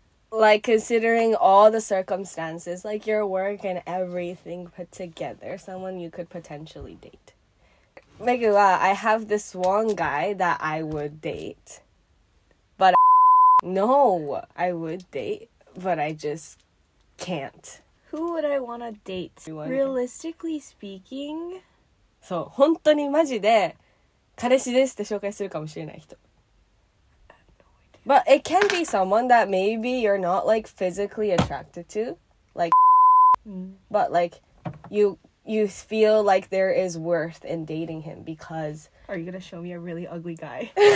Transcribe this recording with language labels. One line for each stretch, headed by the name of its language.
English: Like considering all the circumstances, like your work and everything put together, someone you could potentially date. Megula, I have this one guy that I would date, but I just can't. Who would I want to date? Realistically speaking,
Japanese: so 本当にマジで彼氏ですって紹介するかもしれない人.
English: But it can be someone that maybe you're not, like, physically attracted to. Like, but, like, you feel like there is worth in dating him because... Are you gonna show me a really ugly guy?